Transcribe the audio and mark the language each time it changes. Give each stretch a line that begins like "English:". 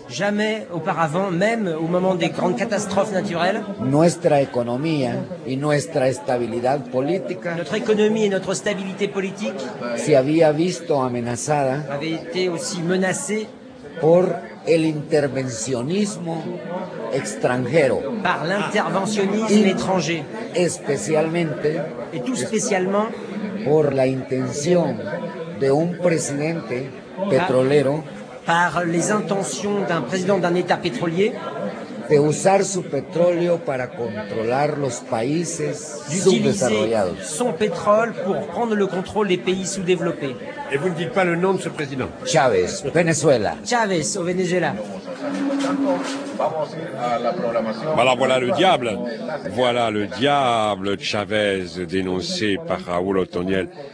French: Jamais auparavant, même au moment des grandes catastrophes naturelles,
Spanish: nuestra economía y nuestra estabilidad política,
French: notre économie et notre stabilité politique,
Spanish: se había visto amenazada,
French: avait été aussi menacée,
Spanish: por el intervencionismo extranjero,
French: par l'interventionnisme étranger,
Spanish: especialmente,
French: et tout spécialement,
Spanish: por la intención de un presidente petrolero.
French: Par les intentions d'un président d'un État pétrolier,
Spanish: de usar su petróleo para controlar los países subdesarrollados.
French: Son pétrole pour prendre le contrôle des pays sous-développés. Et vous ne dites pas le nom de ce président.
Spanish: Chávez, Venezuela.
French: Chávez, au Venezuela. Voilà, voilà le diable. Voilà le diable, Chavez, dénoncé par Raúl Otoniel.